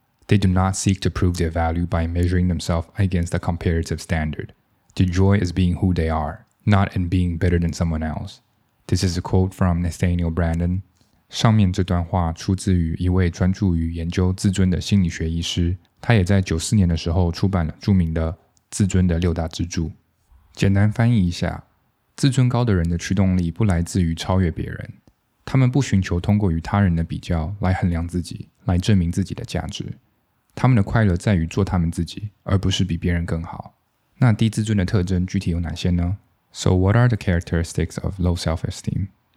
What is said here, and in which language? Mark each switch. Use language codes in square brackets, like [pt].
[en] They do not seek to prove their value by measuring themselves against a comparative standardThe joy is being who they are, not in being better than someone else. This is a quote from Nathaniel Brandon. [zh] 上面这段话出自于一位专注于研究自尊的心理学医师，他也在94年的时候出版了著名的《自尊的六大支柱》。简单翻译一下，自尊高的人的驱动力不来自于超越别人，他们不寻求通过与他人的比较来衡量自己，来证明自己的价值。他们的快乐在于做他们自己，而不是比别人更好。那低自尊的特征具体有哪些呢？ [en] So what are the characteristics of low self-esteem?